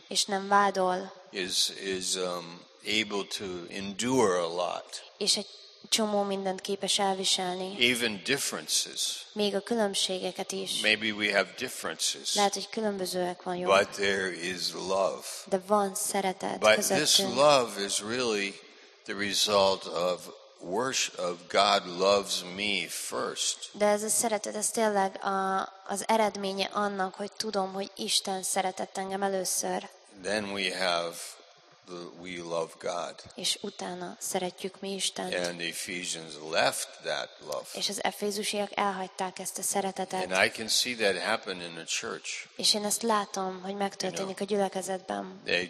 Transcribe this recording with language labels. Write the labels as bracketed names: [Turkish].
[Hungarian] És nem vádol. [English] Is able to endure a lot. [Hungarian] És egy csomó mindent képes elviselni. [English] Even differences. [Hungarian] Még a különbségeket is. [English] Maybe we have differences. [Hungarian] Lehet, hogy különbözőek vagyunk. [English] But there is love. [Hungarian] De van szeretet. [English] But [Hungarian] közöttünk. [English] This love is really the result of worship of God loves me first. [Hungarian] De ez a szeretet, ez tényleg az eredménye annak, hogy tudom, hogy Isten szeretett engem először. [English] Then we love God. [Hungarian] És utána szeretjük mi Istent. [English] And the Ephesians left that love. [Hungarian] És az efézusiak elhagyták ezt a szeretetet. [English] And I can see that happen in a church. [Hungarian] És én ezt látom, hogy megtörténik, [English] you know, [Hungarian] a gyülekezetben.